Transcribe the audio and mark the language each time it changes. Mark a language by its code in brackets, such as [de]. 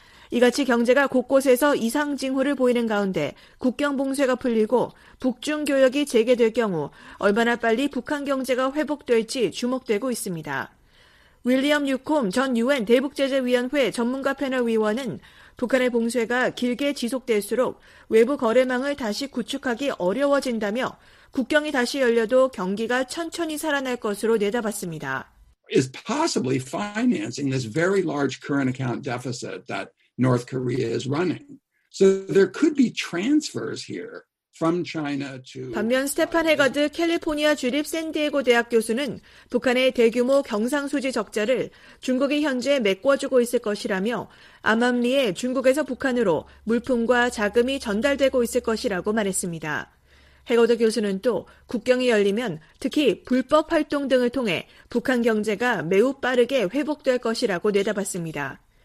[ko] 이같이 경제가 곳곳에서 이상 징후를 보이는 가운데 국경 봉쇄가 풀리고 북중 교역이 재개될 경우 얼마나 빨리 북한 경제가 회복될지 주목되고 있습니다. 윌리엄 유콤 전 유엔 대북제재위원회 전문가 패널 위원은 북한의 봉쇄가 길게 지속될수록 외부 거래망을 다시 구축하기 어려워진다며 국경이 다시 열려도 경기가 천천히 살아날 것으로 내다봤습니다. [en] Is possibly financing this very large current account deficit that North Korea is running. So there could be transfers here from China to [ko] 반면 스테판 해가드 캘리포니아 주립 샌디에고 대학 교수는 북한의 대규모 경상수지 적자를 중국이 현재 메꿔주고 있을 것이라며 암암리에 중국에서 북한으로 물품과 자금이 전달되고 있을 것이라고 말했습니다. 해거드 교수는 또 국경이 열리면 특히 불법 활동 등을 통해 북한 경제가 매우 빠르게 회복될 것이라고 내다봤습니다.